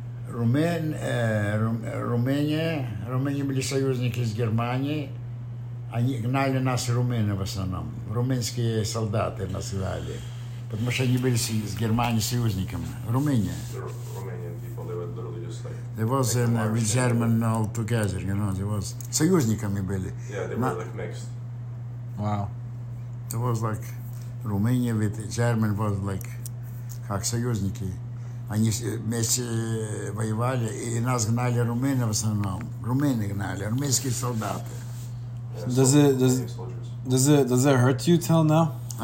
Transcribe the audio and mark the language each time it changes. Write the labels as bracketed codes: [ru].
[ru] Румыния были союзники с Германией. Они гнали нас, румыны, в основном. Румынские солдаты нас гнали. Потому что они были с Германией союзниками. Румыния. [en] They were literally just like... They was with German all together, you know. They was [ru] союзниками были. [en] Yeah, they were like mixed. Wow. It was like... Румыния with German was like [ru] как союзники. Они вместе воевали и нас гнали румыны в основном. Румыны гнали, румынские солдаты. [en] Yeah, Does it hurt you till now?